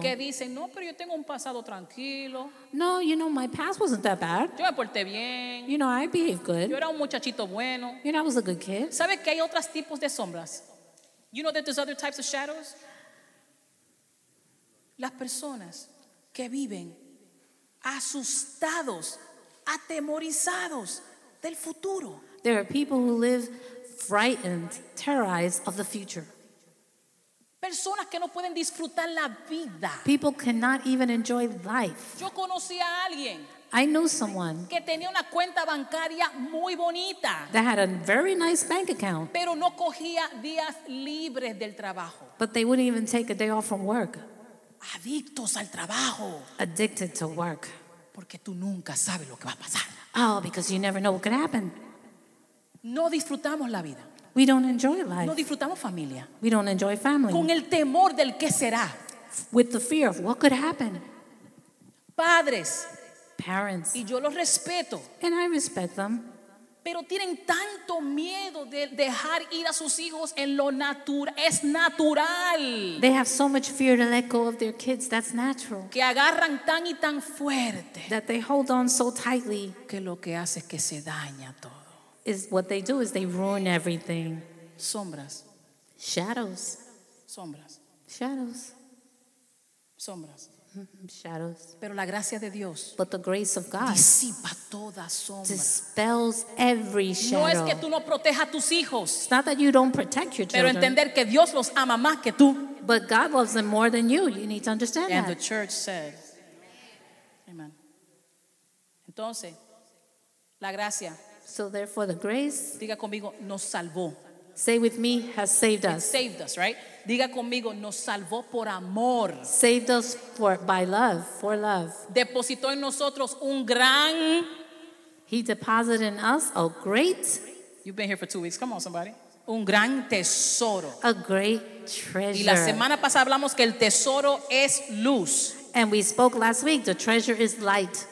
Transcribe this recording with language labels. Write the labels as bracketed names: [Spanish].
[Spanish] que dicen, no, pero yo tengo un pasado tranquilo. [English] No, you know, my past wasn't that bad. [Spanish] Yo me porté bien. [English] You know, I behaved good. [Spanish] Yo era un muchachito bueno. [English] You know, I was a good kid. [Spanish] ¿Sabe que hay otros tipos de sombras? [English] You know that there's other types of shadows? [Spanish] Las personas que viven asustados, atemorizados del futuro. [English] There are people who live frightened, terrorized of the future. [Spanish] Personas que no pueden disfrutar la vida. [English] People cannot even enjoy life. [Spanish] Yo conocí a alguien. [English] I knew someone [Spanish] que tenía una cuenta bancaria muy bonita. [English] That had a very nice bank account. [Spanish] Pero no cogía días libres del trabajo. [English] But they wouldn't even take a day off from work. [Spanish] Adictos al trabajo. [English] Addicted to work. [Spanish] Porque tú nunca sabes lo que va a pasar. [English] Oh, because you never know what could happen. [Spanish] No disfrutamos la vida. [English] We don't enjoy life. [Spanish] No disfrutamos familia. [English] We don't enjoy family. [Spanish] Con el temor del qué será. [English] With the fear of what could happen. [Spanish] Padres. [English] Parents. [Spanish] Y yo los respeto. [English] And I respect them. [Spanish] Pero tienen tanto miedo de dejar ir a sus hijos en lo natural. Es natural. [English] They have so much fear to let go of their kids. That's natural. [Spanish] Que agarran tan y tan fuerte. [English] That they hold on so tightly. [Spanish] Que lo que hace es que se daña todo. [English] Is what they do is they ruin everything. [Spanish] Sombras. [English] Shadows. [Spanish] Sombras. [English] Shadows. [Spanish] Sombras. [English] Shadows. [Spanish] Pero la gracia de Dios. [English] But the grace of God [Spanish] disipa toda sombra. [English] Dispels every shadow. [Spanish] No es que tú no protejas a tus hijos. [English] It's not that you don't protect your children. [Spanish] Pero entender que Dios los ama más que tú. [English] But God loves them more than you. You need to understand and that. And the church said, amen. [Spanish] Entonces, la gracia. [English] So therefore the grace, [Spanish] diga conmigo, nos salvó. [English] Say with me, has saved us. It saved us, right? [Spanish] Diga conmigo, nos salvó por amor. [English] Saved us for by love, for love. [Spanish] Depositó en nosotros un gran. [English] He deposited in us a great. You've been here for 2 weeks. Come on, somebody. [Spanish] Un gran tesoro. [English] A great treasure. [Spanish] Y la semana pasada hablamos que el tesoro es luz. [English] And we spoke last week, the treasure is light.